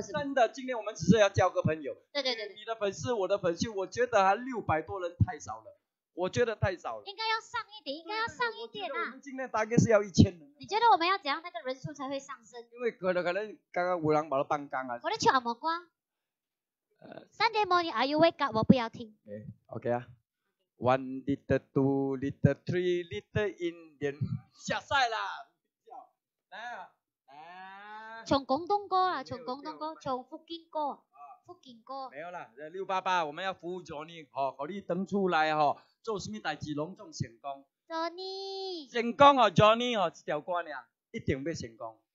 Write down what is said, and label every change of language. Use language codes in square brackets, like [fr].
[zh] 真的，今天我们只是要交个朋友。对，你的粉丝，我的粉丝，我觉得啊，600多人太少了，我觉得太少了。应该要上一点啊。我们今天大概是要1000人。你觉得我们要怎样那个人数才会上升？因为可能刚刚有人把他放工啊。我在唱什么歌？ [en] Sunday morning, are you wake up？ [zh] 我不要听。 OK 啊。 [en] One little, two little, three little Indian. [zh] 下赛啦！来啊！唱广东歌啦，唱广东歌，唱福建歌。福建歌。没有啦，六八八，我们要服务着你，吼，让你登出来，吼，做什么代志隆重成功。 Johnny。成功哦 ，Johnny 哦，一条歌尔，一定要成功。